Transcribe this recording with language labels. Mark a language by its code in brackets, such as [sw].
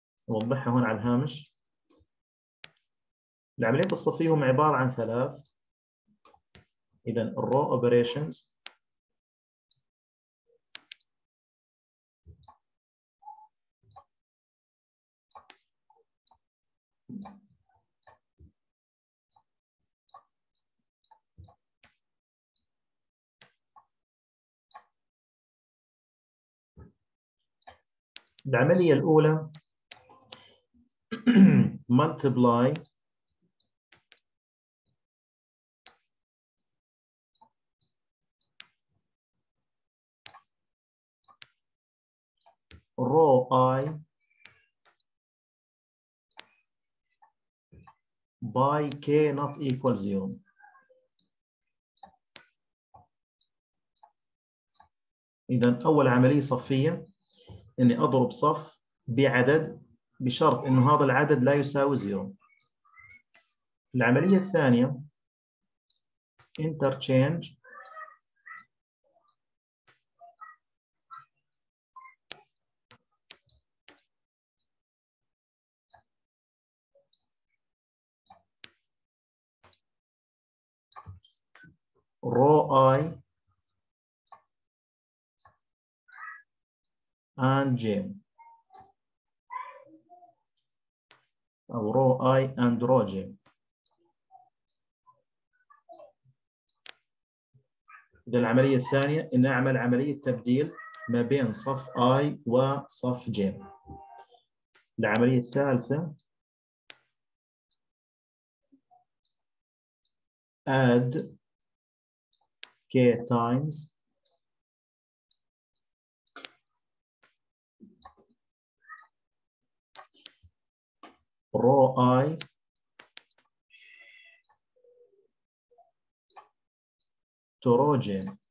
[ar] أوضحها هون على الهامش. العمليات الصفية هم عبارة عن ثلاث. [en] إذا الرو أوبريشنز [ar] العملية الأولى [en] multiply row I by k not equal zero. [ar] إذن أول عملية صفية إني أضرب صف بعدد بشرط إنه هذا العدد لا يساوي زيرو. العملية الثانية interchange [en] row I and j أو row I and row j. [ar] إذا العملية الثانية إن أعمل عملية تبديل ما بين صف I وصف j. العملية الثالثة [en] add k times row I to row j.